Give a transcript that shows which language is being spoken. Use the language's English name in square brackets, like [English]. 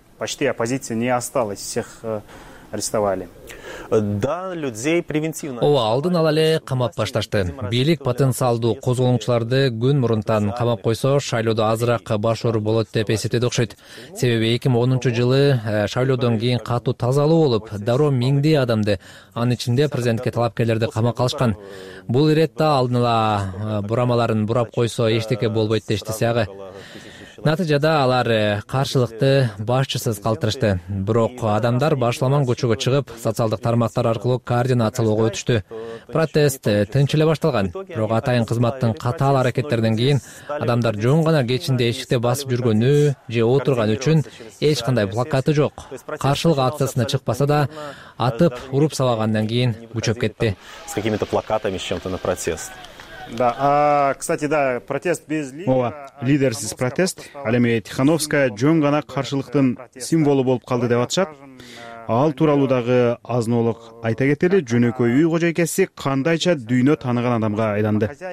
[Russian] Почти оппозиция не осталась, всех арестовали. Да, людей превентивно. [Kyrgyz] Ооба, алдын ала эле камап башташты. Бийлик потенциалдуу козголоңчуларды күн мурунтан камап койсо, шайлоодо азыраак баш оору болот деп эсептеди окшойт. Себеби 2010-жылы шайлоодон кийин катуу тазалоо болуп, дароо миңдей адамды, анын ичинде президентке талапкерлерди камакка алышкан. Бул иретте алдын ала бурамаларын бурап койсо эчтеке болбойт дештиси ага. Натыйжада алар каршылыкты башчысыз калтырышты. Бирок адамдар башламан көчөгө чыгып, социалдык тармактар аркылуу координациялоого өтүштү. Протест тынч эле башталган. Бирок атайын кызматтын катаал аракеттеринен кийин адамдар жөн гана кечинде эшикте басып жүргөнү же отурган үчүн эч кандай плакаты жок. Каршылык акциясына чыкпаса да, атып уруп салгандан кийин күчөп кетти. [Russian] С какими-то плакатами, с чем-то на протест. Да, кстати, да, протест без лидера. [Kyrgyz] Ооба, лидерсиз протест. Ал эми Тихановская жөн гана каршылыктын символу болуп калды деп атышат. Ал тууралуу дагы азнолук айта кетели, жөнөкөй үй кожойкеси кандайча дүйнө тааныган адамга айланды.